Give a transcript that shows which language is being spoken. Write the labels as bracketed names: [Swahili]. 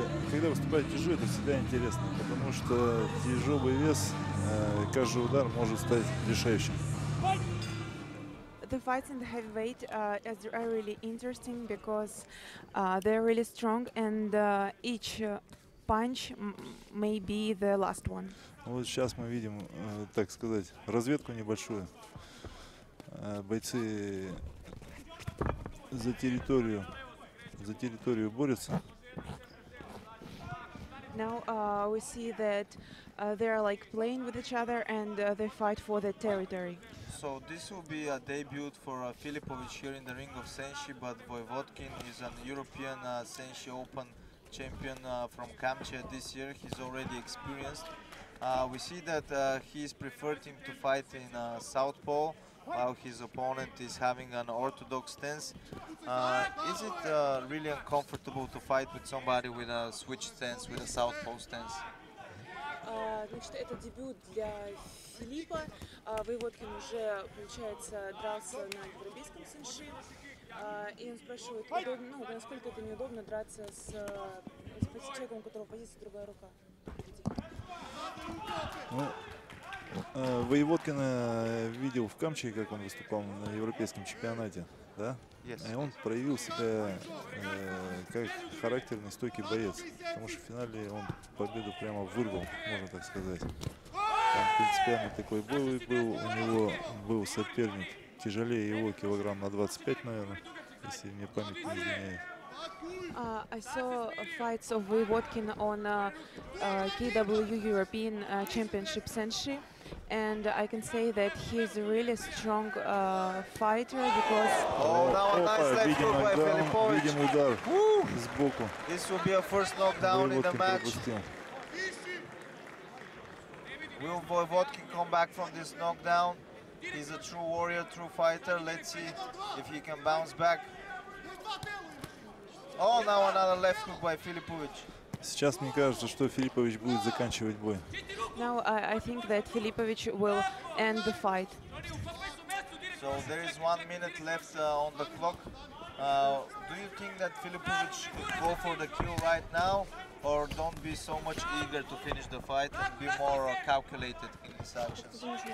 [Russian] Когда выступает тяжелый, это всегда интересно, потому что тяжелый вес, каждый удар может стать решающим. [English] The fights in the heavyweight are really interesting because they're really strong and each punch may be the last one. [Russian] Вот сейчас мы видим, так сказать, разведку небольшую. Бойцы за территорию борются. [English] Now we see that they are like playing with each other and they fight for the territory. So this will be a debut for Filipovic here in the ring of Senshi, but Voevodkin is an European Senshi Open champion from Kamchatka this year. He's already experienced. We see that he's preferred him to fight in South Pole, while his opponent is having an orthodox stance. Is it really uncomfortable to fight with somebody with a switch stance, with a South Pole stance? [Russian] Значит, это дебют для Филиппа. Выводкин уже, получается, дрался на европейском сенши. И он спрашивает, удобно, ну, насколько это неудобно драться с человеком, у которого позиция другая рука. Ну, Выводкина видел в Камчи, как он выступал на европейском чемпионате. Да? [English] Yes. [Russian] И он проявил себя как характерный, стойкий боец. Потому что в финале он победу прямо вырвал, можно так сказать. Там принципиально такой бой был. У него был соперник тяжелее его килограмм на 25, наверное, если мне память не изменяет. [English] I saw fights of Voevodkin on KWU European Championship Senshi, and I can say that he's a really strong fighter because. Oh, now a nice left hook by Filipovic. This will be a first knockdown in the match. Will Voevodkin come back from this knockdown? He's a true warrior, true fighter. Let's see if he can bounce back. Oh, now another left hook by Filipovic. [Russian] Сейчас мне кажется, что Филиппович будет заканчивать бой. [English] Now I think that Filipovic will end the fight. So there is 1 minute left on the clock. Do you think that Filipovic could go for the kill right now, or don't be so much eager to finish the fight and be more calculated in his actions?